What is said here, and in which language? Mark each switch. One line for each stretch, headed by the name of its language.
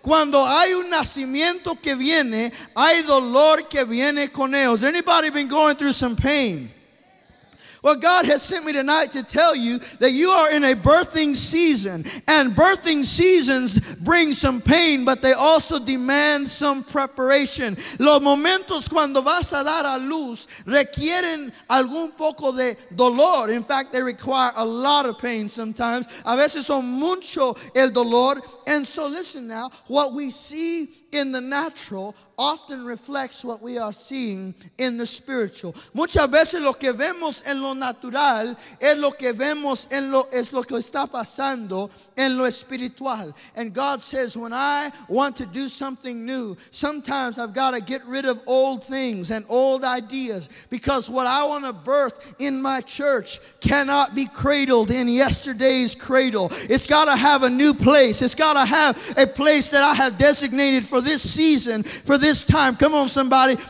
Spanish: Cuando hay un nacimiento que viene, hay dolor que viene con ellos.
English: Anybody been going through some pain? Well, God has sent me tonight to tell you that you are in a birthing season, and birthing seasons bring some pain, but they also demand some preparation.
Spanish: Los momentos cuando vas a dar a luz requieren algún poco de dolor.
English: In fact, they require a lot of pain sometimes.
Spanish: A veces son mucho el dolor.
English: And so listen now, what we see in the natural often reflects what we are seeing in the spiritual.
Spanish: Muchas veces lo que vemos en lo natural es lo que vemos en lo, es lo que está pasando en lo espiritual.
English: And God says, when I want to do something new, sometimes I've got to get rid of old things and old ideas, because what I want to birth in my church cannot be cradled in yesterday's cradle. It's got to have a new place. It's got to have a place that I have designated for this season, for this time. Come on, somebody.